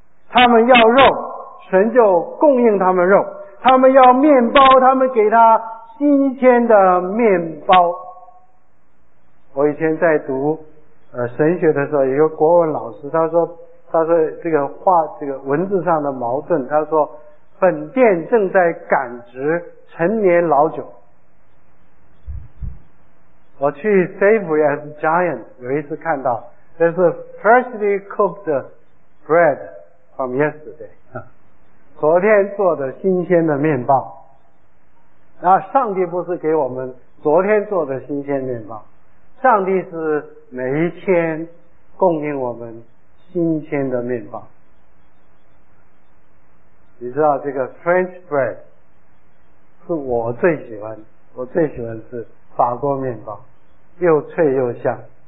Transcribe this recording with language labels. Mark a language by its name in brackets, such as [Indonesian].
[Chinese] 他们要肉，神就供应他们肉；他们要面包，他们给他新鲜的面包。我以前在读神学的时候，有一个国文老师，他说这个话，这个文字上的矛盾，他说本殿正在感知陈年老酒。我去 Savory as Giant 有一次看到 [English] There's a freshly cooked bread from yesterday， [Chinese] 昨天做的新鲜的面包。那上帝不是给我们昨天做的新鲜面包，上帝是每一天供应我们新鲜的面包。你知道这个 French bread 是我最喜欢，我最喜欢吃法国面包，又脆又香。